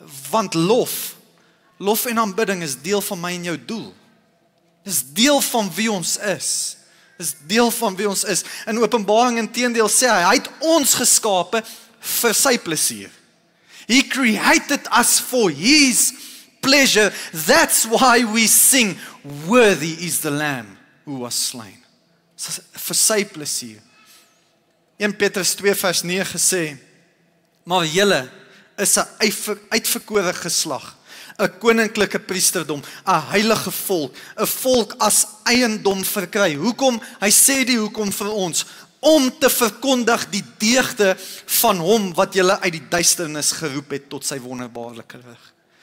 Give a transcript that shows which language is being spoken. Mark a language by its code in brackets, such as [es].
[af] Want lof en aanbidding is deel van my en jou doel. Is deel van wie ons is. Is deel van wie ons is. In Openbaring inteendeel sê hy, het ons geskape vir sy plesier. [en] He created us for his pleasure. That's why we sing, worthy is the lamb who was slain. [af] Vir sy plesier. 1 Petrus 2 vers 9 sê, maar julle is 'n uitverkore geslag, 'n koninklike priesterdom, 'n heilige volk, 'n volk as eiendom verkry. Hoekom? Hy sê die hoekom vir ons, om te verkondig die deugde van hom wat julle uit die duisternis geroep het tot sy wonderbaarlike lig.